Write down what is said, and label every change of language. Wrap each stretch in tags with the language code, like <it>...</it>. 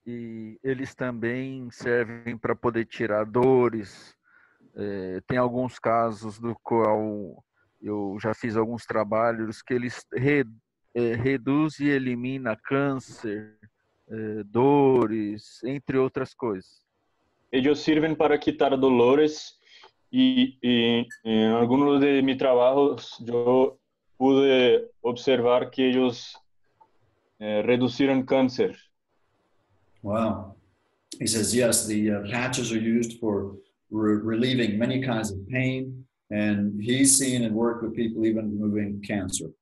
<es>Y ellos también sirven para poder tirar dores.</es> <pt>Tem alguns casos do qual eu já fiz alguns trabalhos que eles reduz e elimina câncer, dores, entre outras coisas. Eles servem para</pt> <es>quitar dolores</es> <pt>e em alguns de meus trabalhos eu pude observar que eles reduziram câncer.</pt> <en>Wow. He says, yes, the patches are used for relieving many kinds of pain, and he's seen and worked with people even removing cancer.</en>